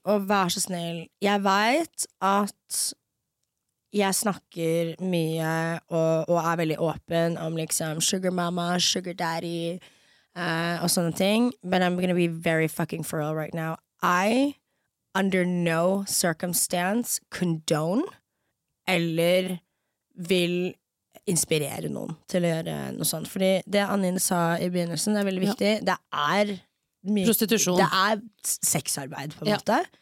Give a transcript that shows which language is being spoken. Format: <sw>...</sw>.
<no>Og vær så snill, jeg vet at jeg snakker mye og er veldig åpen om liksom sugar mama, sugar daddy og sånne ting.</no> <en>But I'm gonna be very fucking for real right now. I under no circumstance condone</en> <no>eller vil inspirere noen til å gjøre noe sånt. Fordi det Anine sa i begynnelsen er veldig viktig. Ja. Det er prostitusjon. Det er sexarbeid på en måte.</no>